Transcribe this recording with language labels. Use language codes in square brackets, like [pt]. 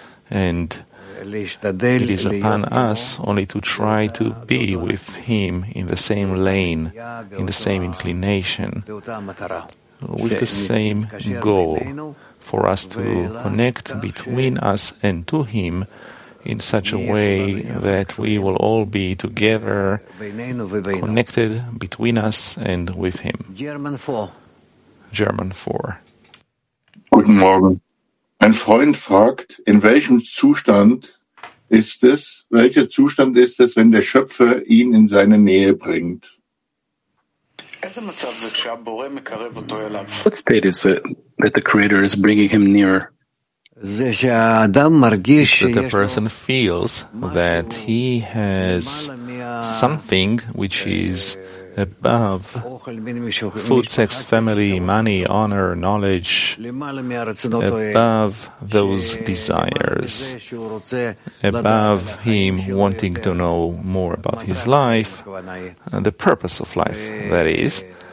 [en] And it is upon us only to try to be with Him in the same lane, in the same inclination, with the same goal, for us to connect between us and to Him in such a way that we will all be together, connected between us and with Him. German 4. [de] Guten Morgen. Ein Freund fragt, in welchem Zustand ist es, welcher Zustand ist es, wenn der Schöpfer ihn in seine Nähe bringt? [en] What state is it that the Creator is bringing him nearer? It's that the person feels that he has something which is above food, sex, family, money, honor, knowledge, above those desires, above him wanting to know more about his life, the purpose of life, that is.